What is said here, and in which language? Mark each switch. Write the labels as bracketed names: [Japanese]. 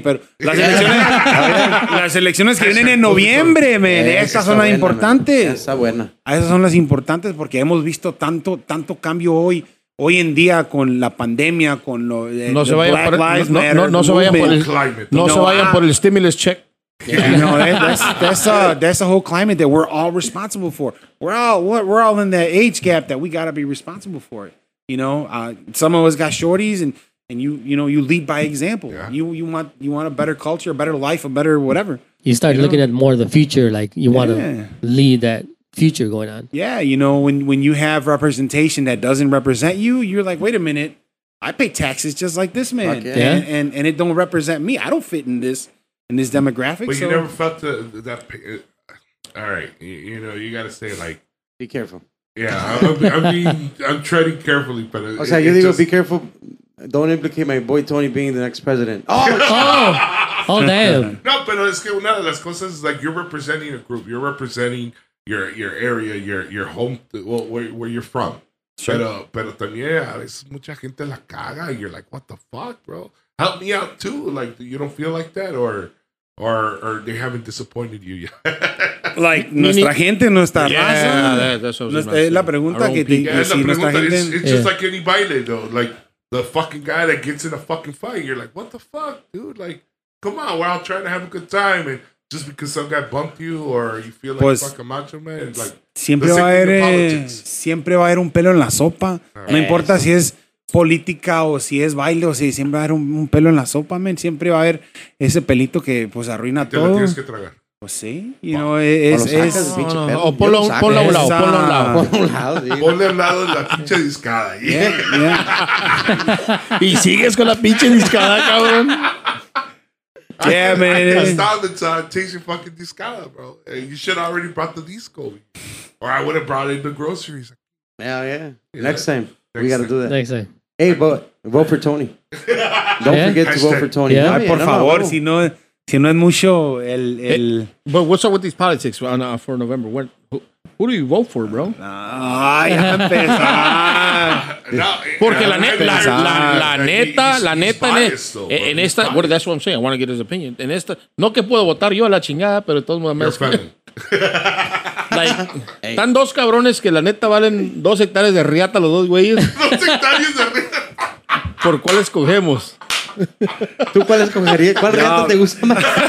[Spanish] Pero las elecciones que vienen en noviembre, man. Esas son las importantes. Esa buena. Esas son las importantes porque hemos visto tanto cambio hoy en día con la pandemia, con lo de no se vayan por el stimulus check. [English] That's the whole climate that we're all responsible for. We're all in that age gap that we got to be responsible for it. You know, some of us got shorties and you lead by example. Yeah. You want a better culture, a better life, a better whatever. You start looking at more of the future, like you want to lead that future going on. Yeah, you know, when you have representation that doesn't represent you, you're like, wait a minute, I pay taxes just like this man. Fuck yeah. And it don't represent me. I don't fit in this demographic. But so. You never felt that. All right, you know, you got to say, like, be careful. Yeah, I'm treading carefully. But [Spanish] o sea, yo digo, [English] be careful. Don't implicate my boy Tony being the next president. Oh, Oh, damn. [Spanish] No, pero es que una de las cosas [English] is like you're representing a group. You're representing your area, your home, where you're from. Sure. [Spanish] Pero también a veces mucha gente la caga. [English] And you're like, what the fuck, bro? Help me out, too. Like, you don't feel like that? Or they haven't disappointed you yet? [Spanish] Like, nuestra gente, nuestra raza. Es la pregunta que te [English] It's just like any baile, though. Like, the fucking guy that gets in a fucking fight. You're like, what the fuck, dude? Like, come on. We're all trying to have a good time. And just because some guy bumped you or you feel like pues, a fucking macho man. Like, [Spanish] siempre va a haber un pelo en la sopa. No importa si es política o si es baile o si siempre va a haber un pelo en la sopa, man. Siempre va a haber ese pelito que pues arruina todo. Te lo tienes que tragar. Pues sí, [English] you know, [Spanish] es o ponlo a un lado, ponle al lado de la pinche discada. Yeah. Y sigues con la pinche discada, cabrón. [English] Yeah, I, man. I stopped the time, taste your fucking discada, bro. You should have already brought the disco. Or I would have brought in the groceries. Hell yeah. Next time, we gotta do that. Next time. Hey, but vote for Tony. Don't forget to vote for Tony. Yeah. [Spanish] Yeah, por favor, si no es mucho el... [English] But what's up with these politics for November? Who do you vote for, bro? [Spanish] Ay, ya empezó. Porque la neta, [English] well, that's what I'm saying. I want to get his opinion. [Spanish] En esta, no que puedo votar yo a la chingada, pero todos me [English] amas. You're like, hey. [Spanish] Están dos cabrones que la neta valen 2 hectáreas de riata los dos güeyes. 2 hectáreas de riata. ¿Por cuál escogemos? ¿Tú cuál escogerías? ¿Cuál riata te gusta más?